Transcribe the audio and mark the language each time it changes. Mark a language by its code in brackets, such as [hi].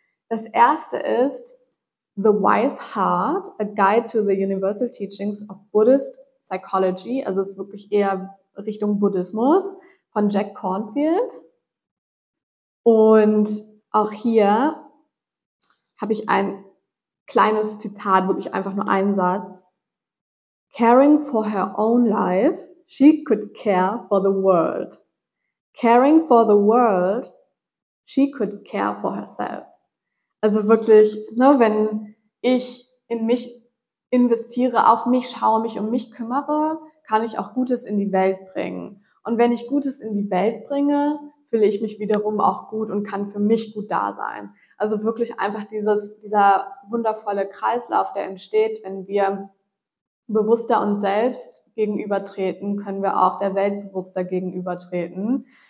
[de] Das erste ist The Wise Heart, A Guide to the Universal Teachings of Buddhist Psychology. Also es ist wirklich eher Richtung Buddhismus, von Jack Kornfield. Und auch hier habe ich ein kleines Zitat, wirklich einfach nur einen Satz. [en] Caring for her own life, she could care for the world. Caring for the world, she could care for herself. [de] Also wirklich, ne, wenn ich in mich investiere, auf mich schaue, mich um mich kümmere, kann ich auch Gutes in die Welt bringen. Und wenn ich Gutes in die Welt bringe, fühle ich mich wiederum auch gut und kann für mich gut da sein. Also wirklich einfach dieser wundervolle Kreislauf, der entsteht, wenn wir bewusster uns selbst gegenübertreten, können wir auch der Welt bewusster gegenübertreten.